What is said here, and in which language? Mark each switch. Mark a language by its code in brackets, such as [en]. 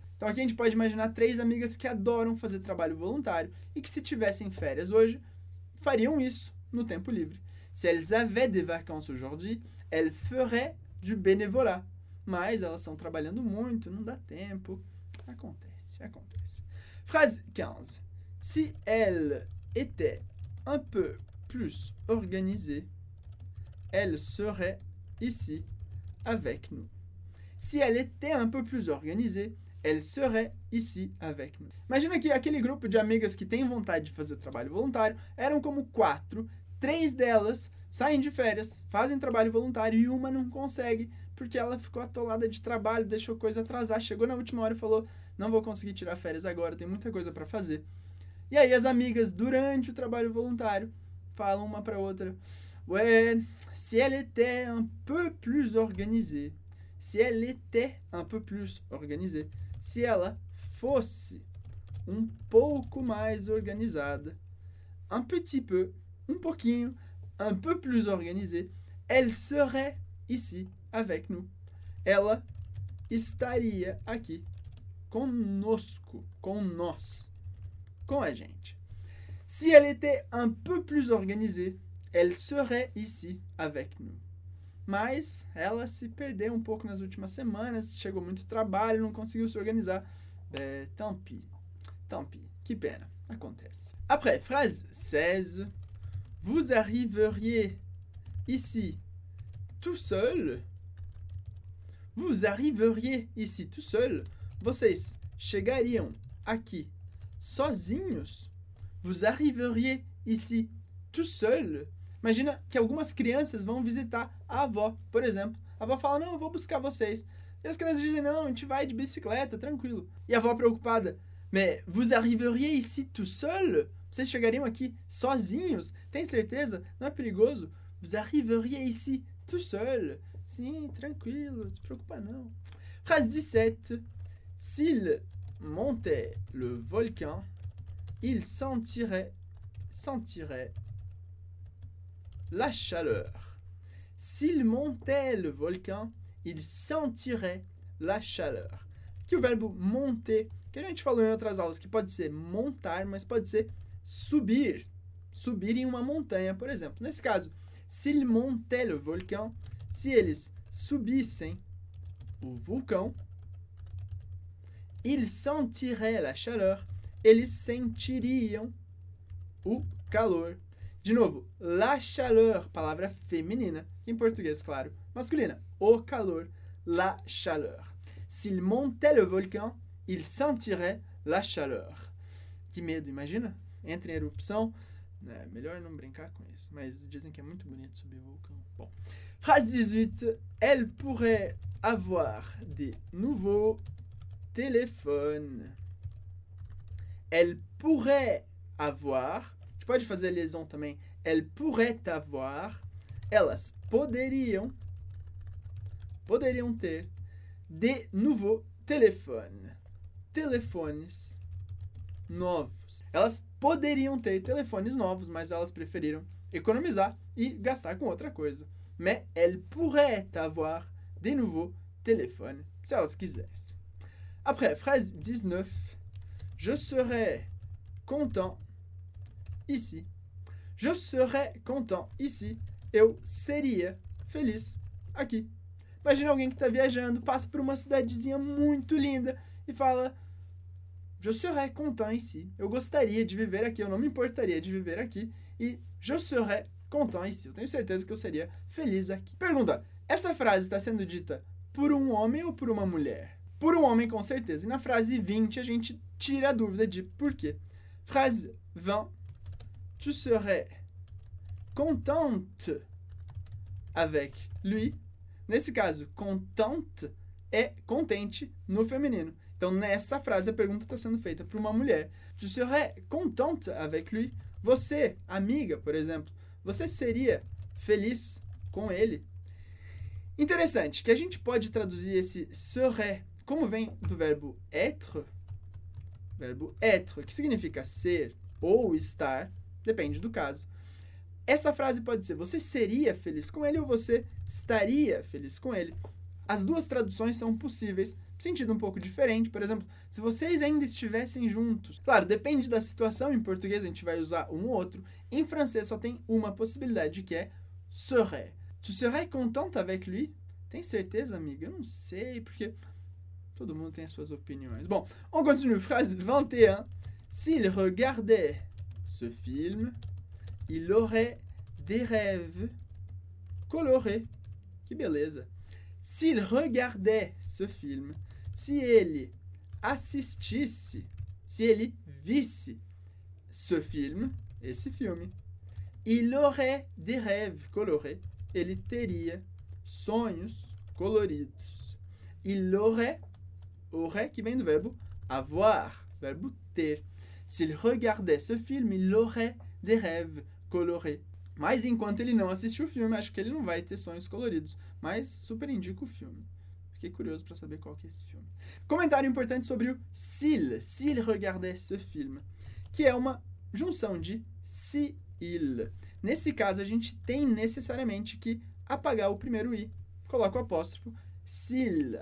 [pt] Então, aqui a gente pode imaginar três amigas que adoram fazer trabalho voluntário e que, se tivessem férias hoje, fariam isso no tempo livre. [fr] Si elles avaient des vacances aujourd'hui, elles feraient du bénévolat. [pt] Mas elas estão trabalhando muito, não dá tempo. Acontece, acontece. [fr] Phrase 15. Si elle était un peu plus organisée, elle serait ici avec nous. Si elle était un peu plus organisée, elle serait ici avec nous. [pt] Imagina que aquele grupo de amigas que tem vontade de fazer trabalho voluntário eram como quatro. Três delas saem de férias, fazem trabalho voluntário e uma não consegue porque ela ficou atolada de trabalho, deixou coisa atrasar, chegou na última hora e falou: não vou conseguir tirar férias agora, tem muita coisa para fazer. E aí as amigas, durante o trabalho voluntário, falam uma para outra: [fr] ouais, si elle était un peu plus organisée, si elle était un peu plus organisée, [pt] si ela fosse um pouco mais organizada, [fr] un petit peu, [pt] um pouquinho, [fr] un peu plus organisée, elle serait ici avec nous. [pt] Ela estaria aqui conosco, com nós, com a gente. [fr] Si elle était un peu plus organisée, elle serait ici avec nous. [pt] Mas ela se perdeu um pouco nas últimas semanas, chegou muito trabalho, não conseguiu se organizar. É, [fr] tant pis, [pt] que pena, acontece. [fr] Après, phrase 16. Vous arriveriez ici tout seul? Vous arriveriez ici tout seul? [pt] Vocês chegariam aqui sozinhos? [fr] Vous arriveriez ici tout seul? [pt] Imagina que algumas crianças vão visitar a avó, por exemplo. A avó fala: não, eu vou buscar vocês. E as crianças dizem: não, a gente vai de bicicleta, tranquilo. E a avó preocupada: [fr] mais vous arriveriez ici tout seul? [pt] Vocês chegariam aqui sozinhos? Tem certeza? Não é perigoso? [fr] Vous arriveriez ici tout seul? [pt] Sim, tranquilo, não se preocupa não. [fr] Phrase 17. S'il montait le volcan, il sentirait la chaleur. S'il montait le volcan, il sentirait la chaleur. [pt] Que o verbo monter, que a gente falou em outras aulas, que pode ser montar, mas pode ser subir. Subir em uma montanha, por exemplo. Nesse caso, [fr] s'il montait le volcan, [pt] se eles subissem o vulcão, [fr] il sentirait la chaleur, [pt] eles sentiriam o calor. De novo, [fr] la chaleur, [pt] palavra feminina, que em português, claro, masculina, o calor, la chaleur. [fr] S'il montait le volcan, il sentirait la chaleur. [pt] Que medo, imagina? Entra em erupção, é melhor não brincar com isso, mas dizem que é muito bonito subir o vulcão. Bom, [fr] phrase 18, elle pourrait avoir de nouveaux téléphones. Elle pourrait avoir... [pt] Pode fazer a liaison também. [fr] Elle pourrait avoir. [pt] Elas poderiam ter [fr] de nouveau téléphone. [pt] Telefones novos. Elas poderiam ter telefones novos, mas elas preferiram economizar e gastar com outra coisa. [fr] Mais elle pourrait avoir de nouveau téléphone, [pt] se elas quisessem. [fr] Après, phrase 19. Je serais content ici. Je serais content ici. [pt] Eu seria feliz aqui. Imagina alguém que está viajando, passa por uma cidadezinha muito linda e fala: [fr] je serais content ici. [pt] Eu gostaria de viver aqui, eu não me importaria de viver aqui. E [fr] je serais content ici. [pt] Eu tenho certeza que eu seria feliz aqui. Pergunta: essa frase está sendo dita por um homem ou por uma mulher? Por um homem, com certeza. E na frase 20, a gente tira a dúvida de por quê. [fr] Phrase 20. Tu serais contente avec lui. [pt] Nesse caso, contente é contente no feminino. Então, nessa frase, a pergunta está sendo feita para uma mulher. [fr] Tu serais contente avec lui. [pt] Você, amiga, por exemplo, você seria feliz com ele? Interessante que a gente pode traduzir esse serait como vem do verbo être. Verbo être, que significa ser ou estar, depende do caso. Essa frase pode ser você seria feliz com ele ou você estaria feliz com ele. As duas traduções são possíveis, sentido um pouco diferente. Por exemplo, se vocês ainda estivessem juntos. Claro, depende da situação. Em português a gente vai usar um ou outro. Em francês só tem uma possibilidade, que é serait. [fr] Tu serais contente avec lui? [pt] Tem certeza, amiga? Eu não sei, porque todo mundo tem as suas opiniões. Bom, [fr] on continue. Phrase 21. S'il regardait ce film, il aurait des rêves colorés. [pt] Que beleza. [fr] S'il regardait ce film, [pt] se ele assistisse, se ele visse [fr] ce film, [pt] esse filme, [fr] il aurait des rêves colorés. [pt] Ele teria sonhos coloridos. Il aurait, aurait que vem do verbo avoir, verbo ter. S'il regardait ce film, il aurait des rêves colorés. Mas enquanto ele não assistiu o filme, acho que ele não vai ter sonhos coloridos. Mas super indico o filme. Fiquei curioso para saber qual que é esse filme. Comentário importante sobre o s'il, [fr] s'il regardait ce film, [pt] que é uma junção de si il. Nesse caso, a gente tem necessariamente que apagar o primeiro i. Coloca o apóstrofo. S'il.